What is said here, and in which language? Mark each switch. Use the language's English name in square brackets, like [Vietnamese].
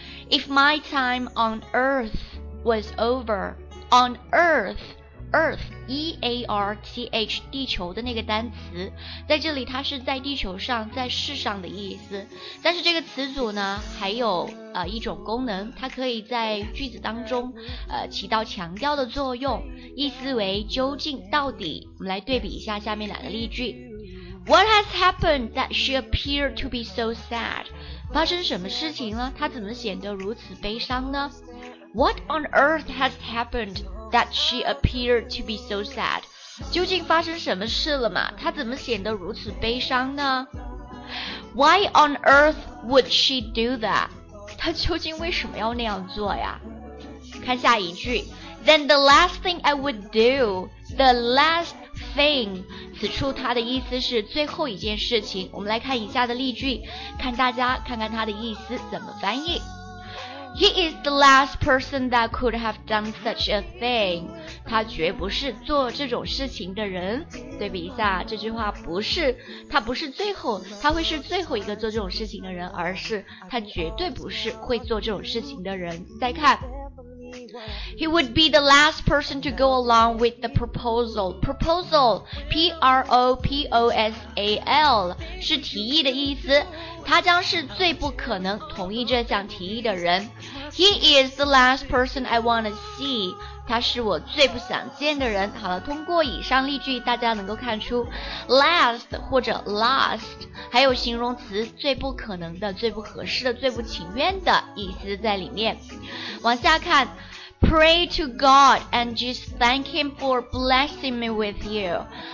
[English] If my time on earth was over, [Chinese] on earth, earth, E-A-R-T-H, 地球的那个单词，在这里它是在地球上、在世上的意思。但是这个词组呢，还有一种功能，它可以在句子当中起到强调的作用，意思为究竟、到底。我们来对比一下下面两个例句。 [English] What has happened that she appeared to be so sad? [Chinese] 发生什么事情了？她怎么显得如此悲伤呢？ [English] What on earth has happened that she appeared to be so sad? [Chinese] 究竟发生什么事了嘛？她怎么显得如此悲伤呢？ [English] Why on earth would she do that? [Chinese] 她究竟为什么要那样做呀？看下一句， [English] Then the last thing I would do, the last thing. [Chinese] 此处她的意思是最后一件事情。我们来看以下的例句，看大家看看她的意思怎么翻译。 [English] He is the last person that could have done such a thing. [Chinese] 他绝不是做这种事情的人。对比一下，这句话不是，他不是最后，他会是最后一个做这种事情的人，而是他绝对不是会做这种事情的人。再看。 [English] He would be the last person to go along with the proposal. [Chinese] Proposal, P-R-O-P-O-S-A-L, 是提议的意思。他将是最不可能同意这项提议的人。 [English] He is the last person I want to see. [Chinese] 他是我最不想见的人。好了，通过以上例句，大家能够看出 last 或者 last 还有形容词最不可能的、最不合适的、最不情愿的意思在里面。往下看， [English] Pray to God and just thank him for blessing me with you.